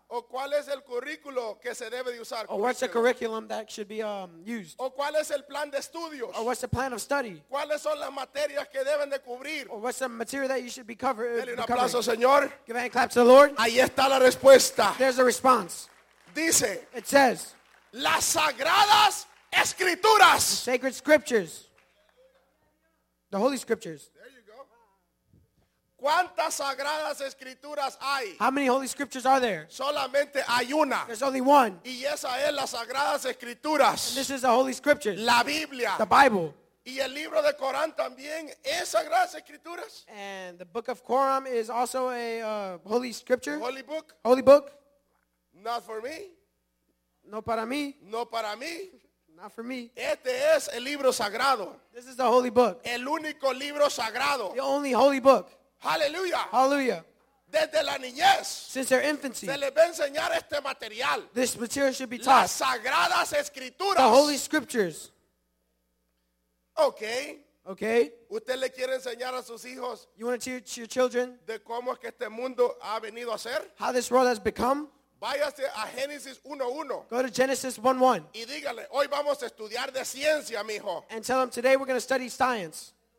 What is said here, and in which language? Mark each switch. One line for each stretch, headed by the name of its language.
Spanish: ¿O cuál es el currículo que se debe de usar?
English: Or what's the curriculum that should be used?
Spanish: ¿O cuál es el plan de estudios?
English: Or what's the plan of study?
Spanish: ¿Cuáles son las materias que deben de cubrir?
English: Or what's the material that you should be covering?
Spanish: Dale un aplauso, Señor.
English: Give a hand clap to the Lord.
Spanish: Ahí está la respuesta.
English: There's a response.
Spanish: Dice.
English: It says.
Spanish: Las sagradas escrituras.
English: The sacred scriptures. The holy scriptures.
Spanish: ¿Cuántas sagradas escrituras hay?
English: How many holy scriptures are there?
Spanish: Solamente hay una.
English: There's only one.
Spanish: Y esa es las sagradas escrituras.
English: And this is the holy scriptures.
Spanish: La Biblia.
English: The Bible.
Spanish: Y el libro de Corán también es sagradas escrituras.
English: And the book of Quran is also a holy scripture. Holy book. Holy book. Not for me.
Spanish: No para mí. No para mí.
English: Not for me.
Spanish: Este es el libro sagrado.
English: This is the holy book.
Spanish: El único libro sagrado.
English: The only holy book. Hallelujah. Hallelujah.
Spanish: Desde la niñez.
English: Since their infancy.
Spanish: Se les va a enseñar este material.
English: This material should be taught.
Spanish: Las sagradas escrituras.
English: The holy scriptures. Okay. Okay?
Spanish: ¿Usted le quiere enseñar a sus hijos?
English: You want to teach your children?
Spanish: De cómo es que este mundo ha venido a ser?
English: How this world has become?
Spanish: Váyase a Génesis 1:1.
English: Go to Genesis 1:1.
Spanish: Y dígale, hoy vamos a estudiar de ciencia, mijo.
English: And tell them today we're going to study science.